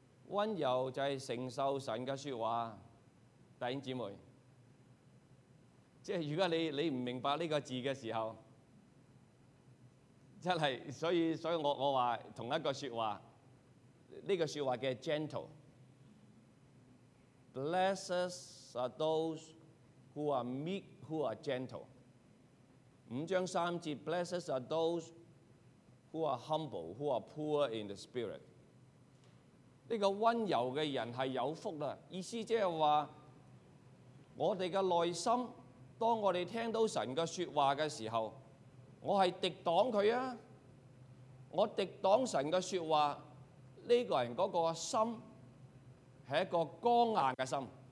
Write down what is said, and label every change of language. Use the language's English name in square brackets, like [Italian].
[Chinese] 溫柔就是承受神的說話，弟兄姊妹。如果你不明白這個字的時候，真的，所以我說同一個說話，這個說話叫 gentle。 [English] Blessed are those who are meek, who are gentle. [Chinese] 五章三節， [English] Blessed are those who are humble, who are poor in the spirit. [Chinese] 這個溫柔的人是有福的，意思就是說，我們的內心，當我們聽到神的說話的時候，我是敵擋祂啊，我敵擋神的說話，這個人的心是一個剛硬的心。